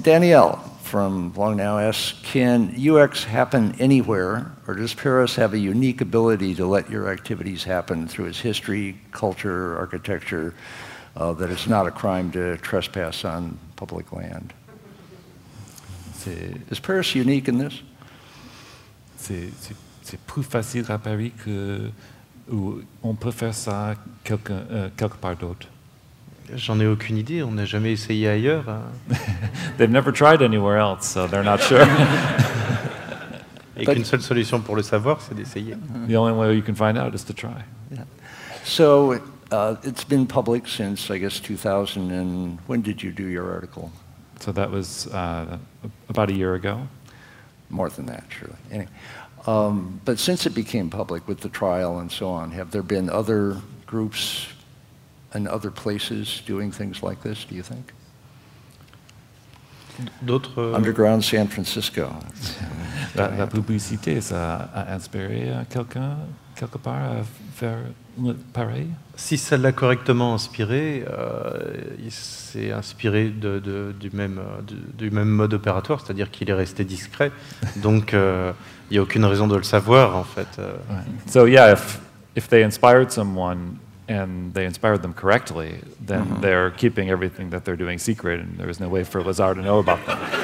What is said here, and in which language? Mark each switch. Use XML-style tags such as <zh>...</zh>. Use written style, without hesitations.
<en>Danielle from Long Now asks, can UX happen anywhere, or does Paris have a unique ability to let your activities happen through its history, culture, architecture, that it's not a crime to trespass on public land? Is Paris unique in this?</en> <fr>C'est plus facile à Paris que où on peut faire ça quelque part d'autre. J'en ai aucune idée, on n'a jamais essayé ailleurs.</fr> <en>They've never tried anywhere else, so they're not sure.</en> <fr>Et qu'une seule solution pour le savoir, c'est d'essayer.</fr> <en>The only way you can find out is to try. Yeah. So, it's been public since, I guess, 2000, and when did you do your article? So that was about a year ago. More than that, surely. Anyway. But since it became public with the trial and so on, have there been other groups and other places doing things like this, do you think?</en> <fr>D'autres</fr> <en>underground San Francisco.</en> <fr>La publicité, ça a inspiré quelqu'un, quelque part, à faire pareil? Si ça l'a correctement inspiré, il s'est inspiré du même mode opératoire, c'est-à-dire qu'il est resté discret. Donc, il n'y a aucune raison de le savoir, en fait.</fr> <en>Right. So, yeah, if they inspired someone, and they inspired them correctly, then mm-hmm. they're keeping everything that they're doing secret, and there is no way for Lazar to know about them.</en>